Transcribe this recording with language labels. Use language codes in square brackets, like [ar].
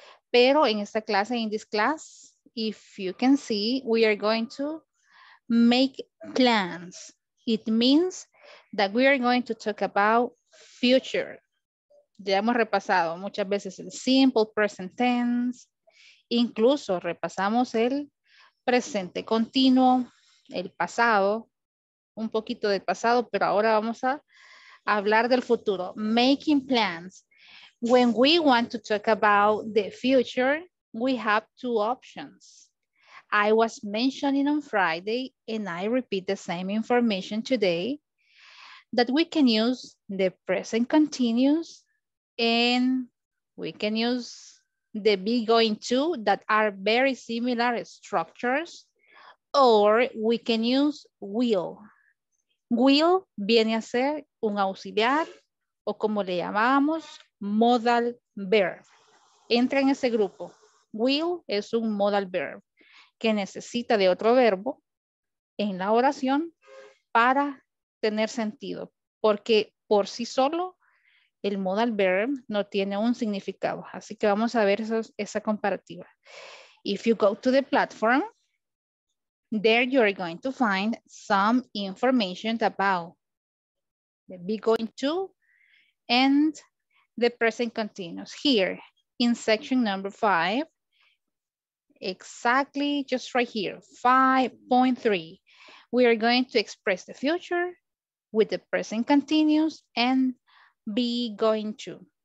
[es] Pero en esta clase, in this class, if you can see, we are going to make plans. [en] It means that we are going to talk about future. [es] Ya hemos repasado muchas veces el simple present tense. Incluso repasamos el presente continuo, el pasado, un poquito del pasado, pero ahora vamos a hablar del futuro. [en] Making plans. When we want to talk about the future, we have two options. I was mentioning on Friday, and I repeat the same information today, that we can use the present continuous, and we can use the be going to, that are very similar structures, Or we can use will. Will viene a ser un auxiliar o como le llamamos modal verb. [es] Entra en ese grupo. Will es un modal verb que necesita de otro verbo en la oración para tener sentido. Porque por sí solo el modal verb no tiene un significado. Así que vamos a ver esa comparativa. [en] If you go to the platform, there you are going to find some information about the be going to and the present continuous. Here in section number 5, exactly just right here, 5.3, we are going to express the future with the present continuous and be going to.